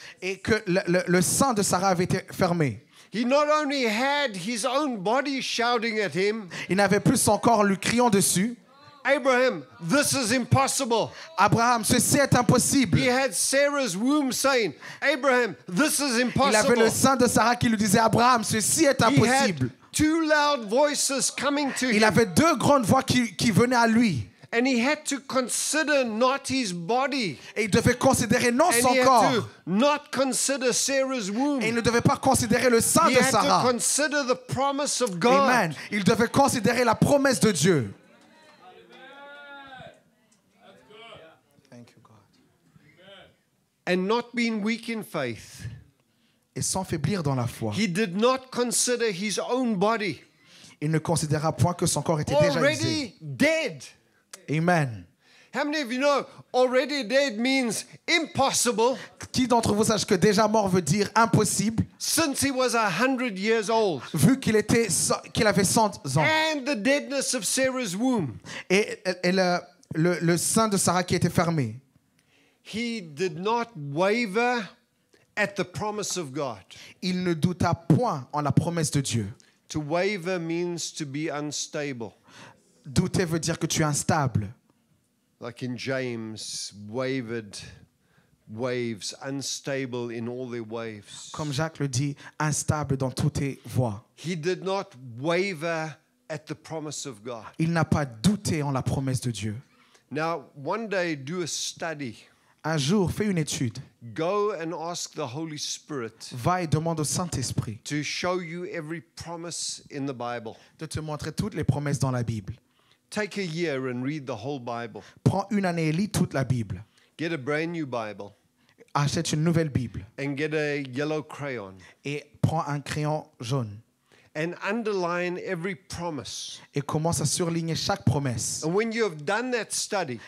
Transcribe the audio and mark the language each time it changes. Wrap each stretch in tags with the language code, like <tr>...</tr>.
<fr>Et que le sein de Sarah avait été fermé.</fr> <en>He not only had his own body shouting at him.</en> <fr>Il n'avait plus son corps lui criant dessus.</fr> <en>Abraham, this is impossible.</en> <fr>Abraham, ceci est impossible.</fr> <en>He had Sarah's womb saying, Abraham, this is impossible.</en> <fr>Il avait le sein de Sarah qui lui disait, Abraham, ceci est impossible.</fr> <en>He had two loud voices coming to him.</en> <fr>Il avait deux grandes voix qui venaient à lui.</fr> <en>And he had to consider not his body.</en> <fr>Et il devait considérer non</fr> <en>and</en> <fr>son</fr> <en>he had</en> <fr>corps.</fr> <en>To not consider Sarah's womb.</en> <fr>Et il ne devait pas considérer le sein</fr> <en>he</en> <fr>de</fr> <en>had</en> <fr>Sarah.</fr> <en>To consider the promise of God.</en> <fr>Amen. Il devait considérer la promesse de Dieu.</fr> <en>And not being weak in faith.</en> <fr>et sans faiblir dans la foi.</fr> <en>He did not consider his own body.</en> <fr>Il ne considéra point que son corps était</fr> <en>already</en> <fr>déjà usé.</fr> <en>Dead. Amen. How many of you know already dead means impossible?</en> <fr>Qui d'entre vous sache que déjà mort veut dire impossible?</fr> <en>Since he was 100 years old.</en> <fr>Vu qu'il avait 100 ans.</fr> <en>And the deadness of Sarah's womb.</en> <fr>Et le sein de Sarah qui était fermé.</fr> <en>He did not waver at the promise of God.</en> <fr>Il ne douta point en la promesse de Dieu.</fr> <en>To waver means to be unstable.</en> <fr>Douter veut dire que tu es instable.</fr> <en>Like in James, wavered waves, unstable in all their waves.</en> <fr>Comme Jacques le dit, instable dans toutes tes voies.</fr> <en>He did not waver at the promise of God.</en> <fr>Il n'a pas douté en la promesse de Dieu.</fr> <en>Now, one day, do a study.</en> <fr>Un jour, fais une étude.</fr> <en>Go and ask the Holy Spirit.</en> <fr>Va et demande au Saint-Esprit.</fr> <en>To show you every promise in the Bible.</en> <fr>De te montrer toutes les promesses dans la Bible.</fr> <en>Take a year and read the whole Bible.</en> <fr>Prends une année et lis toute la Bible.</fr> <en>Get a brand new Bible.</en> <fr>Achète une nouvelle Bible.</fr> <en>And get a yellow crayon.</en> <fr>Et prends un crayon jaune.</fr> <en>And underline every promise.</en> <fr>Et commence à surligner chaque promesse.</fr> <en>And when you have done that study.</en>